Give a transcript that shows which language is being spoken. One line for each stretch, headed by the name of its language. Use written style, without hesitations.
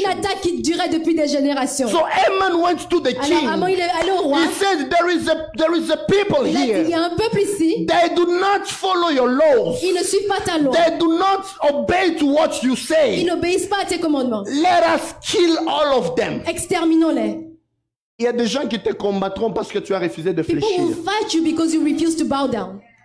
French: Une attaque qui durait depuis des générations.
English: So Haman went to the king.
French: Alors, Haman, il est allé au roi.
English: He said there is a people
French: il
English: here.
French: A dit, il y a un peuple ici.
English: They do not follow your laws.
French: Ils ne suivent pas ta loi.
English: They do not obey to what you say.
French: Ils n'obéissent pas à tes commandements.
English: Let us kill all of them.
French: Exterminons-les. Il y a des gens qui te combattront parce que tu as refusé de fléchir.
English: People will fight you because you refuse to bow down.